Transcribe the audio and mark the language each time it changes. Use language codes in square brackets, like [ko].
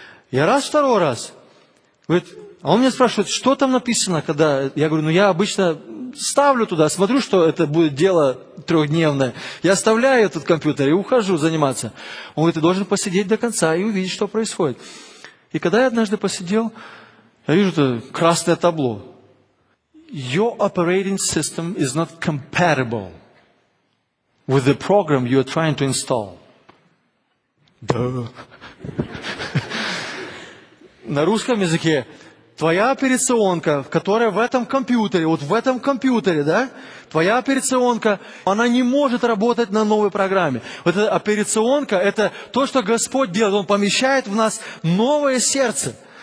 [ru] Я раз, второй раз. Говорит, а он меня спрашивает, что там написано, когда... Я говорю, ну я обычно ставлю туда, смотрю, что это будет дело трехдневное. Я оставляю этот компьютер и ухожу заниматься. Он говорит, ты должен посидеть до конца и увидеть, что происходит. И когда я однажды посидел, я вижу это красное табло. [en] Your operating system is not compatible with the program you are trying to install. [ru] На русском языке твоя операционка, которая в этом компьютере, вот в этом компьютере, да, твоя операционка, она не может работать на новой программе. Вот эта операционка, это то, что Господь делает. Он помещает в нас новое сердце.